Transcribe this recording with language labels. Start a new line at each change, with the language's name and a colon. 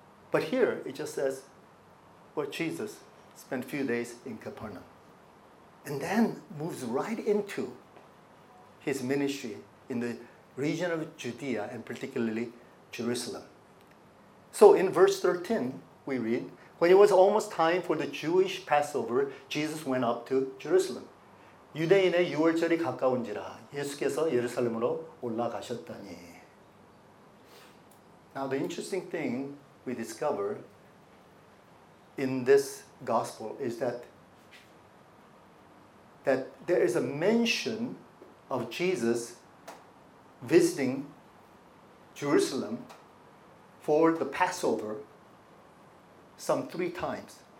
English: But here, it just says, well, Jesus spent a few days in Capernaum, and then moves right into his ministry in the region of Judea, and particularly Jerusalem. So in verse 13, we read, when it was almost time for the Jewish Passover, Jesus went up to Jerusalem.
Korean: 유대인의 유월절이 가까운지라 예수께서 예루살렘으로 올라가셨더니.
English: Now the interesting thing we discover in this gospel is that there is a mention of Jesus visiting Jerusalem for the Passover some three times.